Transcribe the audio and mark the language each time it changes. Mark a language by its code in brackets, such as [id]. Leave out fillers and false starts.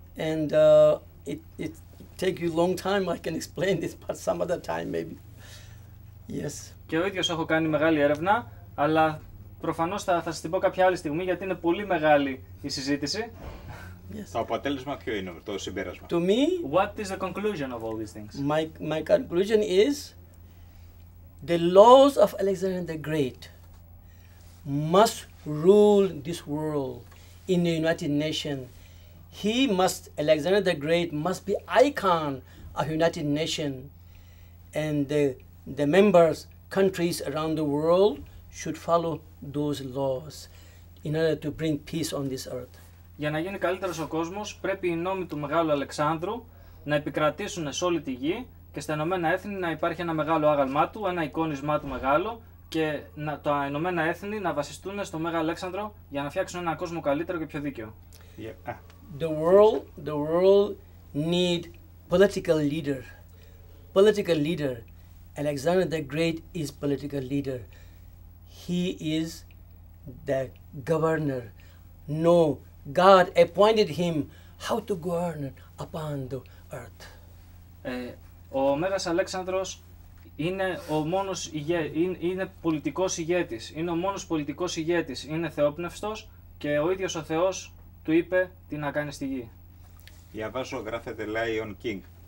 [en] And it take you long time. I can explain this, but some other time maybe. Yes. [el] Και ο ίδιος έχω κάνει μεγάλη έρευνα, αλλά προφανώς θα σας την πω κάποια άλλη στιγμή, γιατί είναι πολύ μεγάλη η συζήτηση. Yes. Το αποτέλεσμα ποιο είναι, το συμπέρασμα. [en] To me, what is the conclusion of all these things? My conclusion is, the laws of Alexander the Great must rule this world in the United Nations. He must, Alexander the Great, must be icon of United Nations, and the members, countries around the world should follow those laws in order to bring peace on this earth. [el] Για να γίνει καλύτερος ο κόσμος, πρέπει οι νόμοι του Μεγάλου Αλεξάνδρου να επικρατήσουν σε όλη τη γη και στα Ηνωμένα Έθνη να υπάρχει ένα μεγάλο άγαλμά του, ένα εικόνισμά του μεγάλο και να, τα Ηνωμένα Έθνη να βασιστούν στο Μέγα Αλέξανδρο για να φτιάξουν ένα κόσμο καλύτερο και πιο δίκαιο. [en] Yeah. Ah. The world need political leader. Political leader. Alexander the Great is political leader. He is the governor. No, God appointed him how to govern upon the earth. [el] Ο Μέγας Αλέξανδρος είναι ο μόνος είναι πολιτικός ηγέτης. Είναι ο μόνος πολιτικός ηγέτης. Είναι θεόπνευστος και ο ίδιος ο Θεός του είπε τι να κάνει στη γη. Διαβάζω, γράφεται Lion King.